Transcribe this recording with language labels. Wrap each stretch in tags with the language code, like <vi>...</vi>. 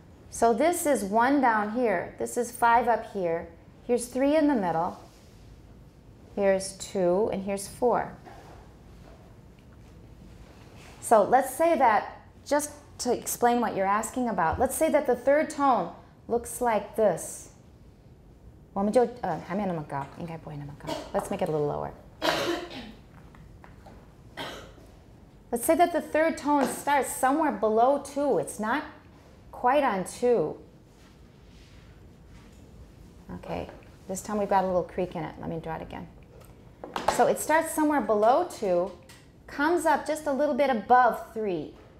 <en>So this is one down here. This is five up here. Here's three in the middle. Here's two, and here's four. So let's say that, just to explain what you're asking about, let's say that the third tone looks like this.</en> <zh>我们就还没有那么高，应该不会那么高。</zh> <en>Let's make it a little lower. Let's say that the third tone starts somewhere below two. It's not quite on two. Okay, this time we've got a little creak in it. Let me draw it again. So it starts somewhere below two, comes up just a little bit above three.</en>